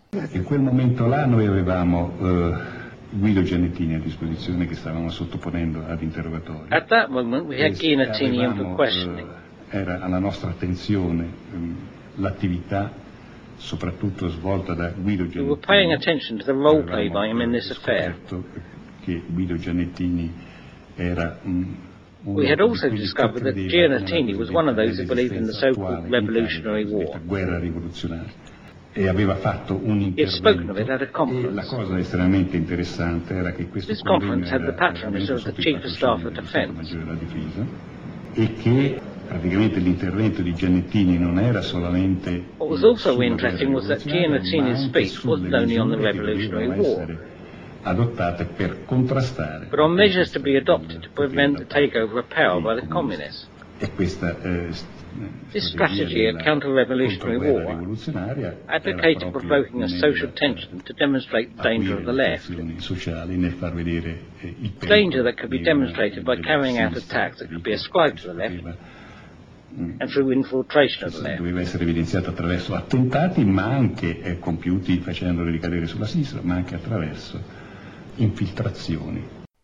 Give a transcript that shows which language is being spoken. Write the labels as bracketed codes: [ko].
[it] In quel momento là noi avevamo Guido Giannettini a disposizione che stavamo sottoponendo ad interrogatorio. [en] At that moment we had Giannettini under questioning. [it] Era alla nostra attenzione l'attività soprattutto svolta da Guido Giannettini. [en] We were paying attention to the role play by him in this affair. [it] Che Guido Giannettini era [en] we had also discovered that Giannettini was one of those who believed in the so-called revolutionary war. [it] Guerra rivoluzionaria. E aveva fatto un intervento e la cosa estremamente interessante era che questo [en] conference [it] era [en] the patronage of the chief of staff of defense. [it] Della difesa e che praticamente l'intervento di Giannettini non era solamente [en] what was also interesting was that Giannettini's speech wasn't only on the revolutionary war [it] adottate per contrastare [en] but on measures to be adopted to prevent the takeover of power by the communists. [it] E questa [en] this strategy of counter-revolutionary war advocated provoking a social tension to demonstrate the danger of the left. The danger that could be demonstrated by carrying out attacks that could be ascribed to the left and through infiltration of the left. [it] Doveva essere evidenziato attraverso attentati, ma anche compiuti facendoli ricadere sulla sinistra, ma anche attraverso infiltrazioni.